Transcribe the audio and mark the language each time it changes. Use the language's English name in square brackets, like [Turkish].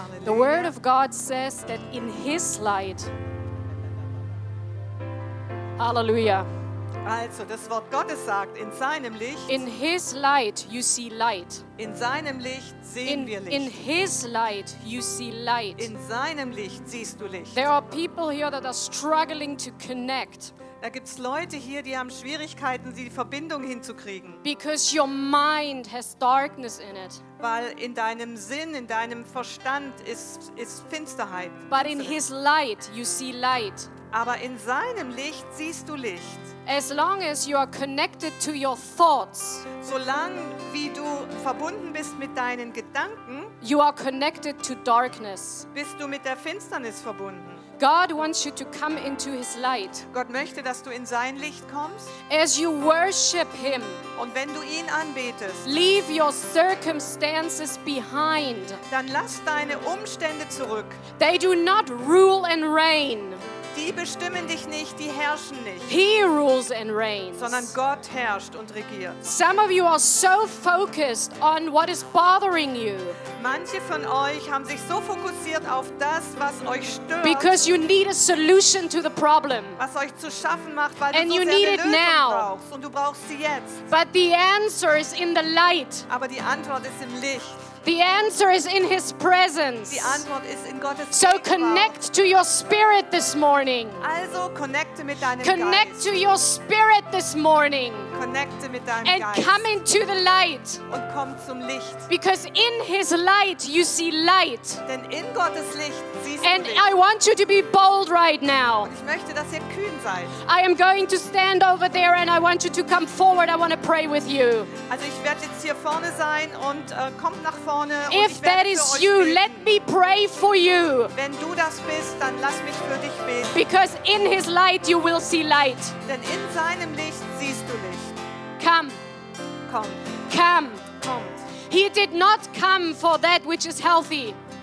[English] The word of God says that in his light. Hallelujah. [German] Also, das Wort Gottes sagt, in seinem Licht. [English] In his light you see light. [German] In seinem Licht sehen wir Licht. [English] In his light you see light. [German] In seinem Licht siehst du Licht. [English] There are people here that are struggling to connect. [German] Da gibt's Leute hier, die haben Schwierigkeiten, die Verbindung hinzukriegen. [English] Because your mind has darkness in it. [German] Weil in deinem Sinn, in deinem Verstand ist Finsterheit. [English] But in his light you see light. [German] Aber in seinem Licht siehst du Licht. [English] As long as you are connected to your thoughts, [German] solange wie du verbunden bist mit deinen Gedanken, [English] you are connected to darkness. [German] Bist du mit der Finsternis verbunden. [English] God wants you to come into his light. [German] Gott möchte, dass du in sein Licht kommst. [English] As you worship him, [German] und wenn du ihn anbetest, [English] leave your circumstances behind. [German] Dann lass deine Umstände zurück. [English] They do not rule and reign. [German] Die bestimmen dich nicht, die herrschen nicht. [English] He rules and reigns. [German] Sondern Gott herrscht und regiert. [English] Some of you are so focused on what is bothering you. [German] Manche von euch haben sich so fokussiert auf das, was euch stört. [English] Because you need a solution to the problem. [German] Was euch zu schaffen macht, weil and du so sehr eine Lösung brauchst. Und du brauchst sie jetzt. [English] But the answer is in the light. [German] Aber die Antwort ist im Licht. [English] The answer is in his presence. [German] Die Antwort ist in Gottes so Gegenwart. [English] Connect to your spirit this morning. [German] Also connecte mit deinem [English] connect [German] Geist. [English] To your spirit this morning. [German] Connecte mit deinem and Geist. [English] Come into the light. [German] Und komm zum Licht. [English] Because in his light you see light. [German] Denn in Gottes Licht siehst and du Licht. [English] I want you to be bold right now. [German] Und ich möchte, dass ihr kühn seid. [English] I am going to stand over there and I want you to come forward. I want to pray with you. [German] Also ich werde jetzt hier vorne sein und kommt nach vorne. [English] If that is you, let me pray for you. [German] Wenn du das bist, dann lass mich für dich beten. [English] Because in his light you will see light. [German] Denn in seinem Licht siehst du Licht. [English] Come. [German] Komm. [English] Come. [German] Kommt. [English] He did not come for that which is healthy.